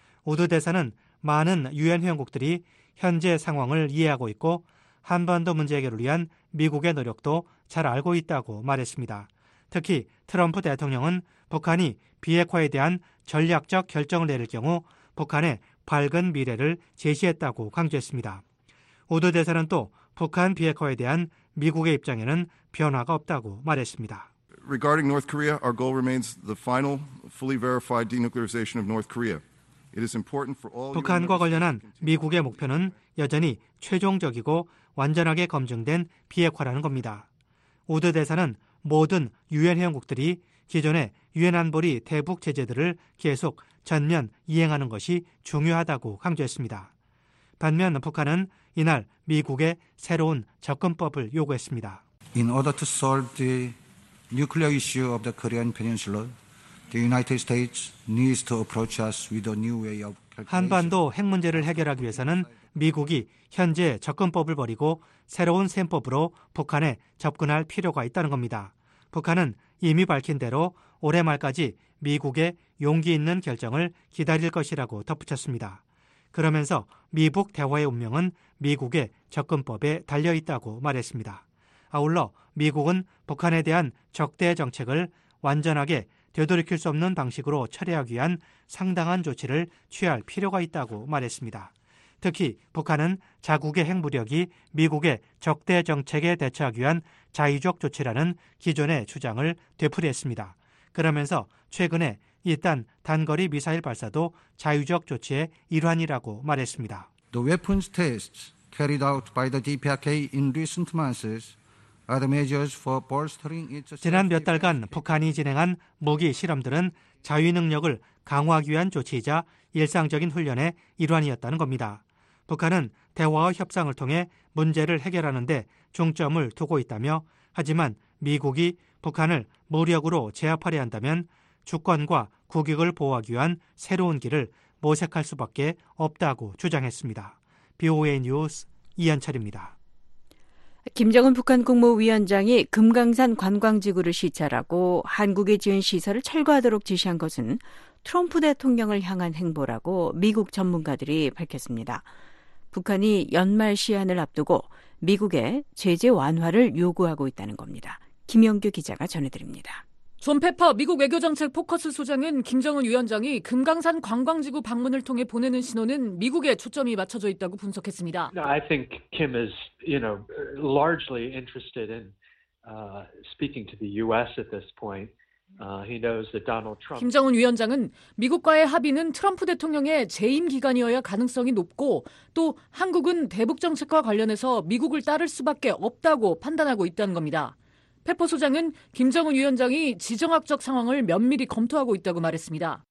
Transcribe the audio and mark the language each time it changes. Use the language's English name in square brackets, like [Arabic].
[Korean] 우드 대사는 많은 유엔 회원국들이 현재 상황을 이해하고 있고 한반도 문제 해결을 위한 미국의 노력도 잘 알고 있다고 말했습니다. 특히 트럼프 대통령은 북한이 비핵화에 대한 전략적 결정을 내릴 경우 북한의 밝은 미래를 제시했다고 강조했습니다. 우드 대사는 또 북한 비핵화에 대한 미국의 입장에는 변화가 없다고 말했습니다. [English] Regarding North Korea, our goal remains the final, fully verified denuclearization of North Korea. It is important for all. [Korean] 북한과 관련한 미국의 목표는 여전히 최종적이고 완전하게 검증된 비핵화라는 겁니다. 우드 대사는 모든 유엔 회원국들이 기존의 유엔 안보리 대북 제재들을 계속 전면 이행하는 것이 중요하다고 강조했습니다. 반면 북한은 이날 미국의 새로운 접근법을 요구했습니다. [English] In order to solve the nuclear issue of the Korean Peninsula, the United States needs to approach us with a new way of calculation. [Korean] 한반도 핵 문제를 해결하기 위해서는 미국이 현재 접근법을 버리고 새로운 셈법으로 북한에 접근할 필요가 있다는 겁니다. 북한은 이미 밝힌 대로 올해 말까지 미국의 용기 있는 결정을 기다릴 것이라고 덧붙였습니다. 그러면서 미북 대화의 운명은 미국의 접근법에 달려있다고 말했습니다. 아울러 미국은 북한에 대한 적대 정책을 완전하게 되돌이킬 수 없는 방식으로 철회하기 위한 상당한 조치를 취할 필요가 있다고 말했습니다. 특히 북한은 자국의 핵무력이 미국의 적대 정책에 대처하기 위한 자의적 조치라는 기존의 주장을 되풀이했습니다. 그러면서 최근에 이딴 단거리 미사일 발사도 자의적 조치의 일환이라고 말했습니다. [English] The weapons tests carried out by the DPRK in recent months are the measures for bolstering its. [Korean] 지난 몇 달간 북한이 진행한 무기 실험들은 자위 능력을 강화하기 위한 조치이자 일상적인 훈련의 일환이었다는 겁니다. 북한은 대화와 협상을 통해 문제를 해결하는 데 중점을 두고 있다며 하지만 미국이 북한을 무력으로 제압하려 한다면 주권과 국익을 보호하기 위한 새로운 길을 모색할 수밖에 없다고 주장했습니다. BOA 뉴스 이한철입니다. 김정은 북한 국무위원장이 금강산 관광지구를 시찰하고 한국이 지은 시설을 철거하도록 지시한 것은 트럼프 대통령을 향한 행보라고 미국 전문가들이 밝혔습니다. 북한이 연말 시한을 앞두고 미국의 제재 완화를 요구하고 있다는 겁니다. 김영규 기자가 전해드립니다. 존 페퍼 미국 외교정책 포커스 소장은 김정은 위원장이 금강산 관광지구 방문을 통해 보내는 신호는 미국에 초점이 맞춰져 있다고 분석했습니다. [English] I think Kim is, you know, largely interested in speaking to the U.S. at this point. He knows that Donald Trump. [Korean] 김정은 위원장은 미국과의 합의는 트럼프 대통령의 재임 기간이어야 가능성이 높고 또 한국은 대북 정책과 관련해서 미국을 따를 수밖에 없다고 판단하고 있다는 겁니다. 페퍼 소장은 김정은 위원장이 지정학적 상황을 면밀히 검토하고 있다고 말했습니다.